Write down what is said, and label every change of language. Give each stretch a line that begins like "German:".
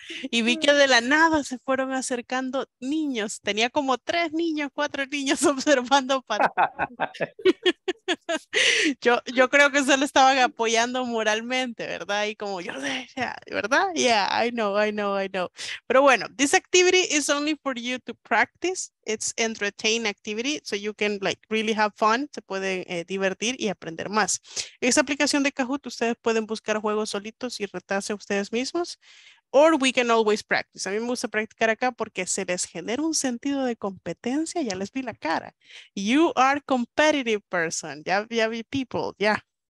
Spanish: Y vi que de la nada se fueron acercando niños. Tenía como 3 niños, 4 niños observando para. Yo creo que solo estaban apoyando moralmente, ¿verdad? Y como yo, ¿verdad?
English: Yeah, I know.
Spanish: Pero bueno,
English: this activity is only for you to practice. It's entertain activity, so you can like really have fun.
Spanish: Se puede divertir y aprender más. Esa aplicación de Kahoot, ustedes pueden buscar juegos solitos y retarse a ustedes mismos.
English: Or we can always practice.
Spanish: A mí me gusta practicar acá porque se les genera un sentido de competencia. Ya les vi la cara.
English: You are competitive person.
Spanish: Ya vi
English: people. Yeah.